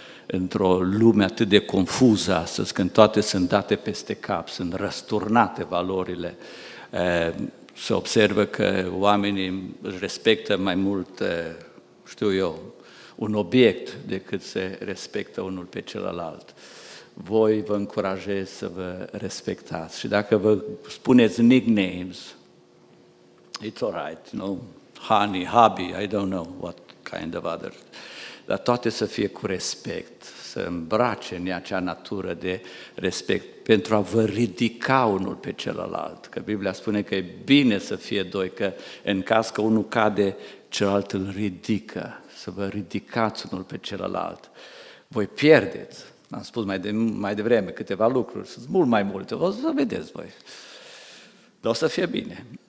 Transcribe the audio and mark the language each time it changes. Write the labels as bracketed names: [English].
[Romanian] Într-o lume atât de confuză astăzi, când toate sunt date peste cap, sunt răsturnate valorile, se observă că oamenii își respectă mai mult, știu eu, un obiect decât se respectă unul pe celălalt. Voi vă încurajez să vă respectați. Și dacă vă spuneți [English] nicknames, it's all right, no? Honey, hubby, I don't know what kind of other... [Romanian] Dar toate să fie cu respect, să îmbrace în acea natură de respect pentru a vă ridica unul pe celălalt. Că Biblia spune că e bine să fie doi, că în caz că unul cade, celălalt îl ridică. Să vă ridicați unul pe celălalt. Voi pierdeți, am spus mai devreme, câteva lucruri, sunt mult mai multe, o să vedeți voi. Dar o să fie bine.